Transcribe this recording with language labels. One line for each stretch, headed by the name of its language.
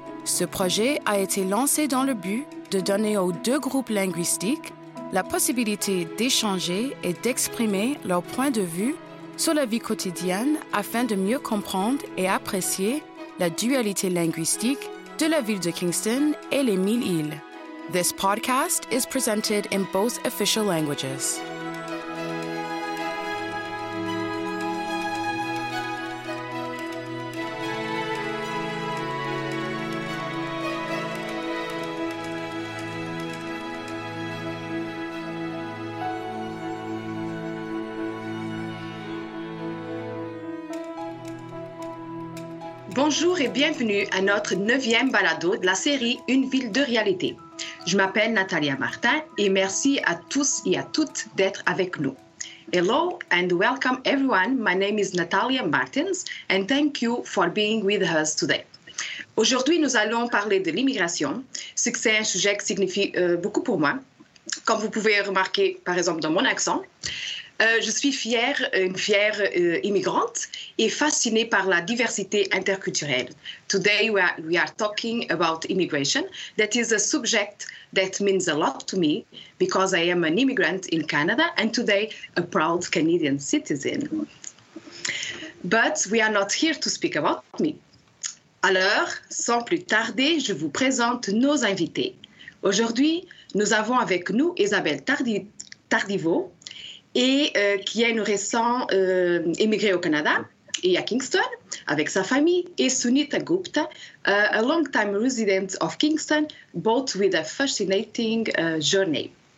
French: Ce projet a été lancé dans le but de donner aux deux groupes linguistiques la possibilité d'échanger et d'exprimer leur point de vue sur la vie quotidienne afin de mieux comprendre et apprécier la dualité linguistique de la ville de Kingston et les Mille Îles.
English: This podcast is presented in both official languages.
French: Bonjour et bienvenue à notre 9e balado de la série Une ville de réalité. Je m'appelle Natalia Martin et merci à tous et à toutes d'être avec nous.
English: Hello and welcome everyone. My name is Natalia Martins and thank you for being with us today.
French: Aujourd'hui, nous allons parler de l'immigration, ce qui est un sujet qui signifie beaucoup pour moi. Comme vous pouvez remarquer, par exemple, dans mon accent, je suis une fière immigrante et fascinée par la diversité interculturelle.
English: Today we are talking about immigration. That is a subject that means a lot to me because I am an immigrant in Canada and today a proud Canadian citizen. But we are not here to speak about me.
French: Alors, sans plus tarder, je vous présente nos invités. Aujourd'hui, nous avons avec nous Isabelle Tardivo, et qui est une récente émigrée au Canada et à Kingston avec sa famille, et Sunita Gupta,
English: a long-time resident of Kingston, both with a fascinating journey.